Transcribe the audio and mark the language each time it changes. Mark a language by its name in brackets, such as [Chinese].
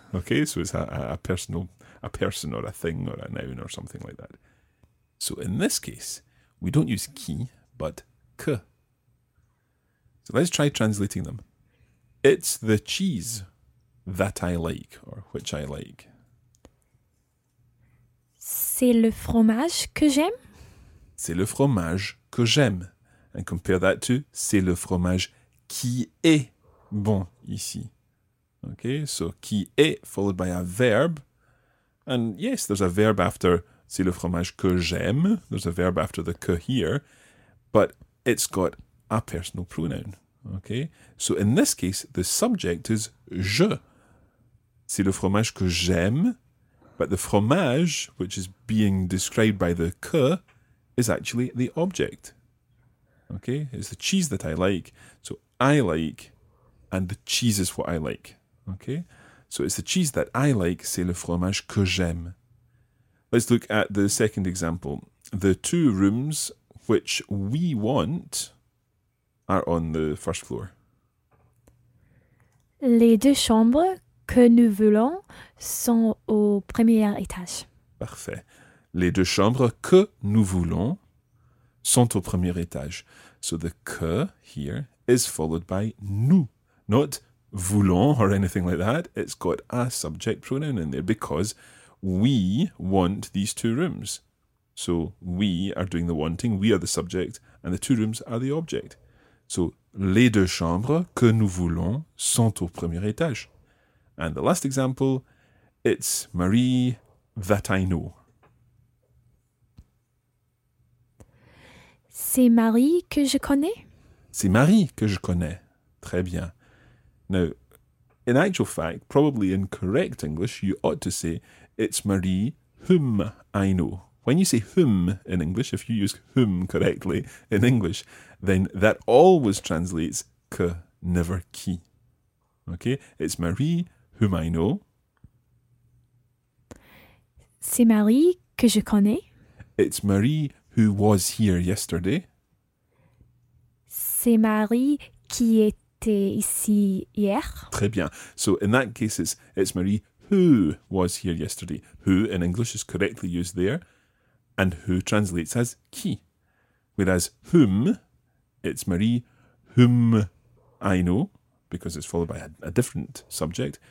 [English] Okay, so it's a person or a thing or a noun or something like that. So in this case, we don't use qui, but que. So let's try translating them. It's the cheese that I like, or which I like. [French] C'est le fromage que j'aime. C'est le fromage que j'aime. [English] And compare that to, [French] c'est le fromage qui est bon ici. [English] Okay, so qui est followed by a verb. And yes, there's a verb after [French] c'est le fromage que j'aime. [English] There's a verb after the que here. But it's got a personal pronoun. Okay, so in this case, the subject is je. [French] C'est le fromage que j'aime. [English] But the fromage, which is being described by the que, is actually the object. Okay, it's the cheese that I like. So I like, and the cheese is what I like. Okay, so it's the cheese that I like, [French] c'est le fromage que j'aime. [English] Let's look at the second example. The two rooms which we want are on the first floor. [French] Les deux chambres que nous voulons sont au premier étage. Parfait. Les deux chambres que nous voulons sont au premier étage. [English] So the que here is followed by nous, not voulons or anything like that. It's got a subject pronoun in there because we want these two rooms. So we are doing the wanting, we are the subject, and the two rooms are the object. [French] So les deux chambres que nous voulons sont au premier étage. [English] And the last example, it's Marie that I know. [French] C'est Marie que je connais. C'est Marie que je connais. Très bien. [English] Now, in actual fact, probably in correct English, you ought to say, it's Marie whom I know. When you say whom in English, if you use whom correctly in English, then that always translates que, never qui. Okay? It's Marie whom I know. [French] C'est Marie que je connais. [English] It's Marie who was here yesterday. [French] C'est Marie qui était ici hier. Très bien. [English] So in that case, it's Marie who was here yesterday. Who in English is correctly used there. And who translates as qui. Whereas whom, it's Marie whom I know. Because it's followed by a different subject.